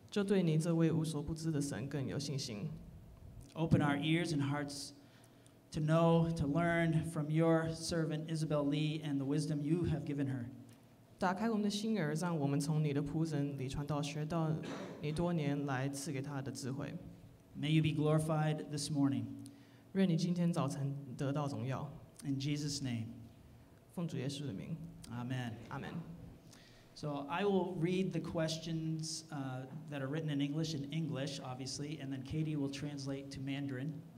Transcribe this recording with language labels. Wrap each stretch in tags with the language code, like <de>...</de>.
<zh>我们更多的认识你，就对你这位无所不知的神更有信心。</zh> <en>Open our ears and hearts to know, to learn from your servant Isabel Lee and the wisdom you have given her.</en> <zh>打开我们的心儿，让我们从你的仆人李传道学到你多年来赐给他的智慧。</zh> <en>May you be glorified this morning.</en> <zh>愿你今天早晨得到荣耀。</zh> <en>In Jesus' name.</en> <zh>奉主耶稣的名。</zh> <en>Amen. Amen. So I will read the questions that are written in English, obviously, and then Katie will translate to Mandarin.</en>